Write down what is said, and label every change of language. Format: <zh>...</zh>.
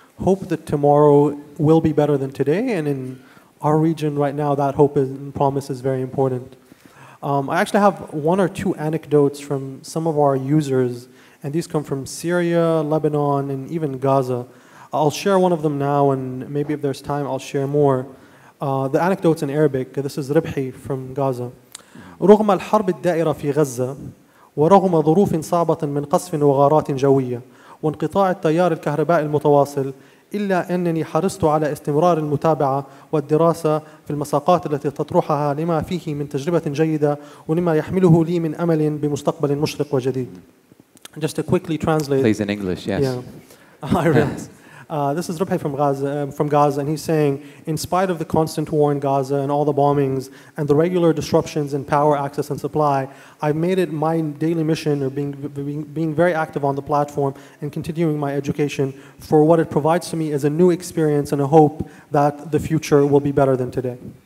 <en>Hope that tomorrow will be better than today, and in our region right now, that hope and promise is very important. I actually have one or two anecdotes from some of our users, and these come from Syria, Lebanon, and even Gaza. I'll share one of them now, and maybe if there's time, I'll share more. The anecdote's in Arabic. This is Ribhi from Gaza.</en> <ar>رغم الحرب الدائرة في غزة ورغم ظروف صعبة من قصف وغارات جوية وانقطاع التيار الكهربائي المتواصل إلا أنني حرصت على استمرار المتابعة والدراسة في المساقات التي تطرحها لما فيه من تجربة جيدة ولما يحمله لي من أمل بمستقبل مشرق وجديد.</ar> <en>Just to quickly translate. Please in English, yes. Yeah. I realize. This is Ribhi from Gaza, and he's saying, in spite of the constant war in Gaza and all the bombings and the regular disruptions in power access and supply, I've made it my daily mission of being very active on the platform and continuing my education, for what it provides to me is a new experience and a hope that the future will be better than today.</en>